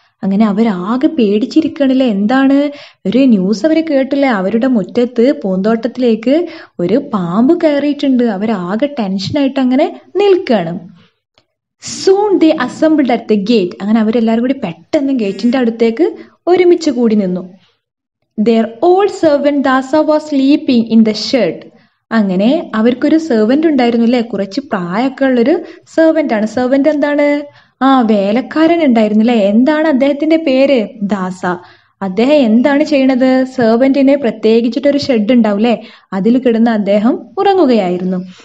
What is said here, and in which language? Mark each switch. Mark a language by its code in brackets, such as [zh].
[ml] അങ്ങനെ അവരാകെ പേടിച്ചിരിക്കണല്ലേ. എന്താണ്? ഒരു ന്യൂസ് അവരെ കേട്ടില്ലേ, അവരുടെ മുറ്റത്ത് പൂന്തോട്ടത്തിലേക്ക് ഒരു പാമ്പ് കയറിയിട്ടുണ്ട്. അവരാകെ ടെൻഷനായിട്ട് അങ്ങനെ നിൽക്കുകയാണ്. [en] Soon the assembled at the gate. [ml] അങ്ങനെ അവരെല്ലാവരും കൂടി പെട്ടെന്ന് ഗേറ്റിന്റെ അടുത്തേക്ക് ഒരുമിച്ചു കൂടി നിന്നു. [en] Their old servant Dasa was sleeping in the shed. [ml] അങ്ങനെ അവർക്കൊരു സെർവൻ്റ് ഉണ്ടായിരുന്നു അല്ലേ, കുറച്ച് പ്രായമൊക്കെ ഉള്ളൊരു സെർവൻ്റ് ആണ്. സെർവൻ്റ് എന്താണ്? ആ വേലക്കാരൻ ഉണ്ടായിരുന്നു അല്ലേ. എന്താണ് അദ്ദേഹത്തിൻ്റെ പേര്? ദാസ. അദ്ദേഹം എന്താണ് ചെയ്യണത്? സെർവൻറ്റിനെ പ്രത്യേകിച്ചിട്ടൊരു ഷെഡ് ഉണ്ടാവും അല്ലേ, അതിൽ കിടന്ന് അദ്ദേഹം ഉറങ്ങുകയായിരുന്നു.